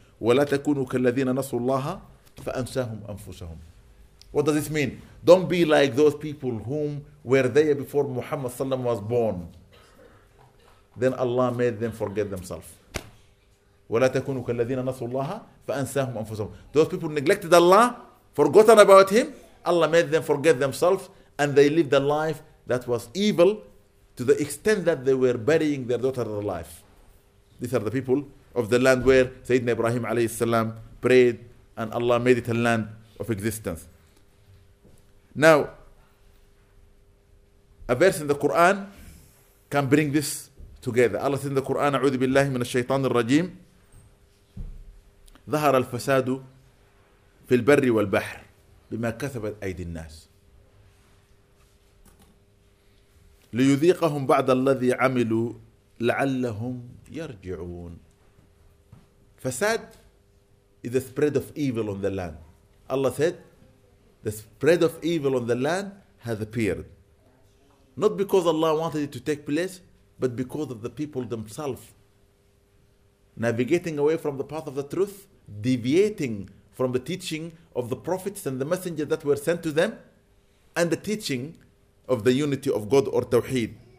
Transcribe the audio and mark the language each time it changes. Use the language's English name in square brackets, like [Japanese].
[Arabic] ولا تكونوا كالذين نسوا الله فأنساهم أنفسهم. [English] What does this mean? Don't be like those people whom were there before Muhammad Sallam was born. Then Allah made them forget themselves. [Arabic] ولا تكونوا كالذين نسوا الله فأنساهم أنفسهم. [English] Those people neglected Allah, forgotten about Him. Allah made them forget themselves, and they lived a life that was evil, to the extent that they were burying their daughter alive. These are the people of the land where Sayyidina Ibrahim alayhi salam prayed, and Allah made it a land of existence. Now, a verse in the Quran can bring this together. Allah said in the Quran, [Arabic] "A'udhu billahi min ash-shaytan al-rajim." ظهر الفساد في البر والبحر بما كسبت أيدي الناس ليذيقهم بعض الذي عملوا لعلهم يرجعون. [English] Fasad is the spread of evil on the land. Allah said, the spread of evil on the land has appeared. Not because Allah wanted it to take place, but because of the people themselves navigating away from the path of the truth, deviating from the teaching of the prophets and the messengers that were sent to them, and the teaching of the unity of God or Tawheed.